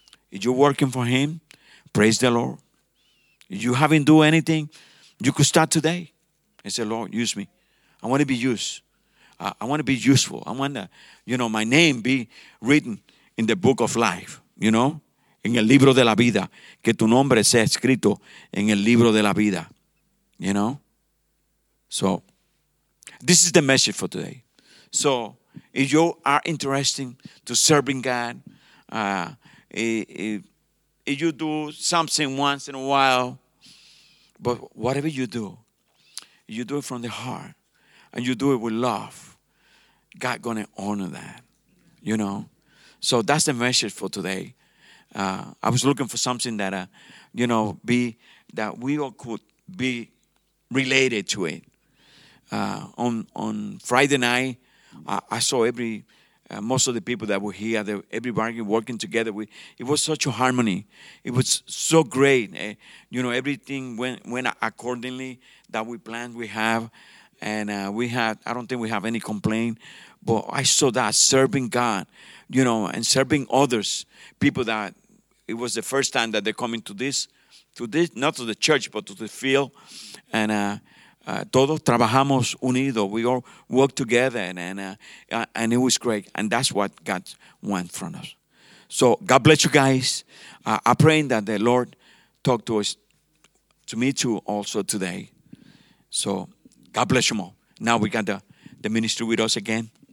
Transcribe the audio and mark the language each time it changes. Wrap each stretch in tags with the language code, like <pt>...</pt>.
<en>If you're working for him, praise the Lord. If you haven't done anything, you could start today. And say, Lord, use me. I want to be used. I want to be useful. I want to, you know, my name be written in the book of life, you know.</en> <es>En el libro de la vida, que tu nombre sea escrito en el libro de la vida.</es> <en>You know? So, this is the message for today. So, if you are interested to serving God, if you do something once in a while, but whatever you do it from the heart, and you do it with love, God gonna honor that. You know? So, that's the message for today. I was looking for something that, you know, be that we all could be related to it. On Friday night, I saw most of the people that were here, everybody working together. It was such a harmony. It was so great. You know, everything went accordingly that we planned we have. And we had, I don't think we have any complaint, but I saw that serving God, you know, and serving others, people that, it was the first time that they're coming to this, not to the church, but to the field.</en> <es>And todos trabajamos unidos.</es> <en>We all work together, and it was great. And that's what God wants from us. So God bless you guys. I'm praying that the Lord talk to us, to me too, also today. So God bless you all. Now we got the ministry with us again.</en>